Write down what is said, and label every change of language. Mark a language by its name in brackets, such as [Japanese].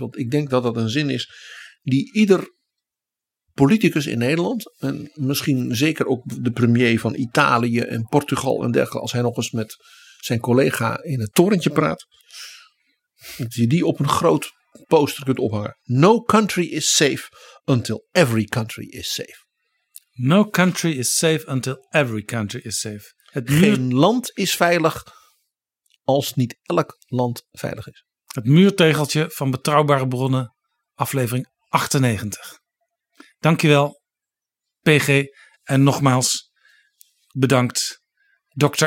[Dutch] Want ik denk dat dat een zin is die ieder politicus in Nederland, en misschien zeker ook de premier van Italië en Portugal en dergelijke, als hij nog eens met zijn collega in het torentje praat, dat je die op een groot poster kunt ophangen. [English] No country is safe until every country is safe. No country is safe until every country is safe. [Dutch] Geen land is veilig als niet elk land veilig is. Het muurtegeltje van Betrouwbare Bronnen, aflevering 98. Dankjewel, PG. En nogmaals bedankt, Dr.